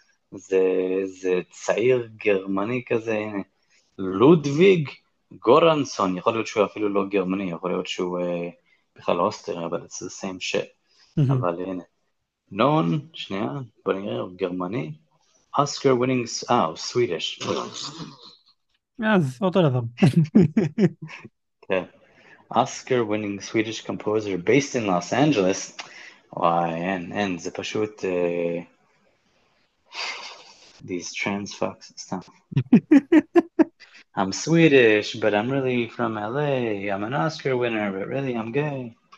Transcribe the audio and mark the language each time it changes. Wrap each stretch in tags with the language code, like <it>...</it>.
<he>זה צעיר גרמני כזה, הנה, לודוויג גורנסון, יכול להיות שהוא אפילו לא גרמני, יכול להיות שהוא בכלל אוסטרי, אבל</he> <en>it's the same shit,</en> <he>אבל הנה, נון, שנייה, בוא נראה, הוא גרמני.</he> <en>Oscar winning, oh, Swedish.</en> <he>אז אותו דבר. כן.</he> <en>Oscar winning Swedish composer based in Los Angeles.</en> <he>וואי, אין, זה פשוט</he> <en>these trans fucks stuff. I'm Swedish, but I'm really from LA. I'm an Oscar winner, but really I'm gay.</en>